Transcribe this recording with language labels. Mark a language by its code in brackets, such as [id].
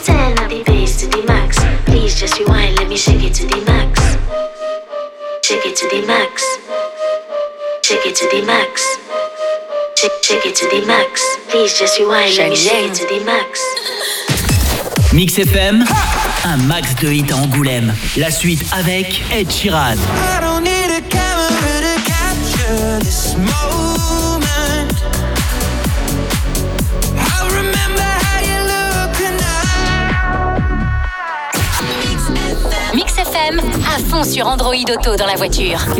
[en] just rewind, let me shake it to the max. Shake it to the max. Shake it to the max. Shake it to the max. Please just rewind, let me shake it to the max. [fr] Mix FM, un max de hit à Angoulême. La suite avec Ed Sheeran. [en] I don't need a camera to capture this moment. I'll remember how you look tonight. [fr] Mix FM, à fond sur Android Auto dans la voiture.